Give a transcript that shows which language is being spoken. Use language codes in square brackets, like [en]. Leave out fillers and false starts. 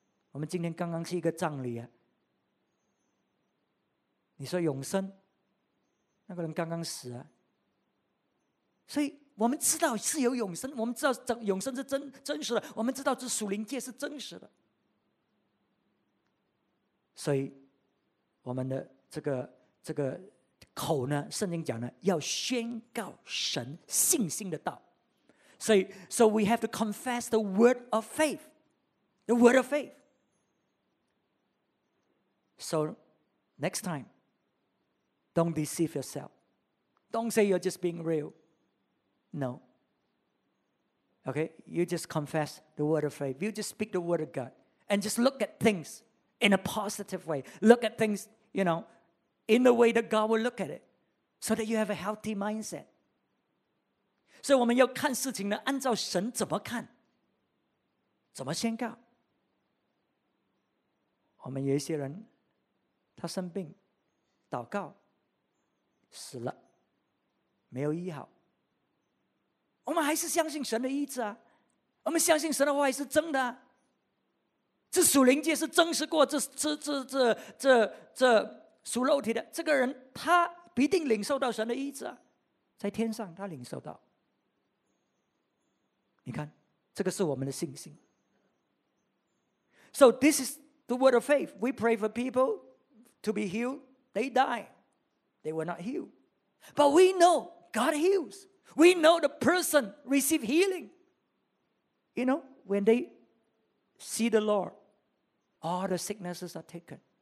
[zh] 我们今天刚刚是一个葬礼啊，你说永生，那个人刚刚死啊，所以我们知道是有永生，我们知道永生是真实的，我们知道这属灵界是真实的，所以我们的这个口呢，圣经讲呢，要宣告神信心的道。 [en] So we have to confess the word of faith. The word of faith. So next time, don't deceive yourself. Don't say you're just being real. No. Okay? You just confess the word of faith. You just speak the word of God. And just look at things in a positive way. Look at things, you know, in the way that God will look at it. So that you have a healthy mindset. [zh] 所以我们要看事情呢，按照神怎么看，怎么宣告。我们有一些人，他生病，祷告，死了，没有医好。我们还是相信神的医治啊，我们相信神的话是真的啊。这属灵界是真实过这属肉体的，这个人他必定领受到神的医治啊，在天上他领受到。你看，这个是我们的信心。 [en] So this is the word of faith. We pray for people to be healed, they die. They were not healed. But we know God heals. We know the person received healing. You know, when they see the Lord, all the sicknesses are taken.